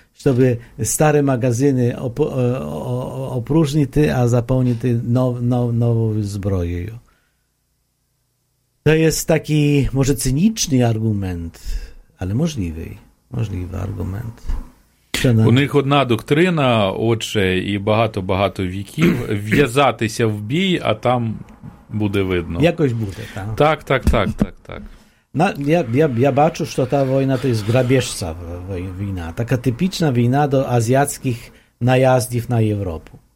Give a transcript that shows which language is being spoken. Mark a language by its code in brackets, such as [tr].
[uk] Щоб старі магазини опружнити, а заповнити новою зброєю. [pl] To jest taki może cyniczny argument, ale możliwy argument. [uk] У них одна доктрина, отже, і багато-багато віків, в'язатися в бій, а там буде видно. Якось буде, так. Так. Я бачу, що та війна – то є грабіжська війна. Така типічна війна до азіатських наїздів на Європу.